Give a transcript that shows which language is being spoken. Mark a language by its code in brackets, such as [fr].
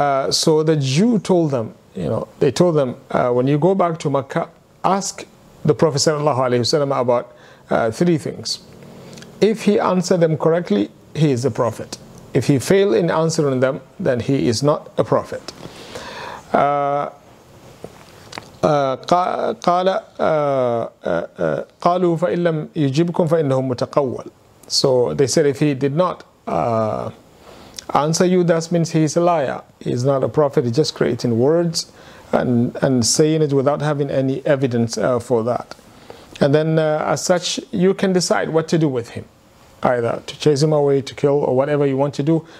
[en] So the Jew told them, when you go back to Makkah, ask the Prophet sallallahu alayhi wasallam about three things. If he answered them correctly, he is a prophet. If he failed in answering them, then he is not a prophet. [ar] قالوا فإن لم يجبكم فإنه متقول. [en] So they said if he did not answer you, that means he is a liar. He is not a prophet, he's just creating words and saying it without having any evidence for that. And then as such, you can decide what to do with him, either to chase him away, to kill, or whatever you want to do.